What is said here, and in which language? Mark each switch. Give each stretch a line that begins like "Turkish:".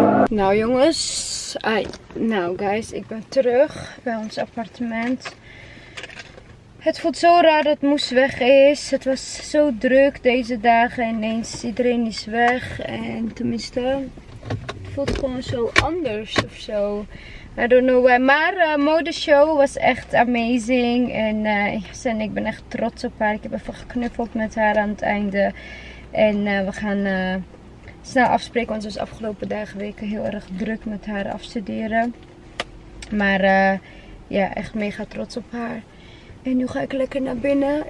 Dutch: Nou jongens, nou guys, ik ben terug bij ons appartement. Het voelt zo raar dat Moes weg is. Het was zo druk deze dagen. Ineens iedereen is weg. En tenminste, het voelt gewoon zo anders of zo.
English: I don't know why.
Dutch: Maar modeshow was echt amazing. En ik ben echt trots op haar. Ik heb even geknuffeld met haar aan het einde. En we gaan... snel afspreken, want ze is afgelopen dagen weken heel erg druk met haar afstuderen. Maar echt mega trots op haar. En nu ga ik lekker naar binnen.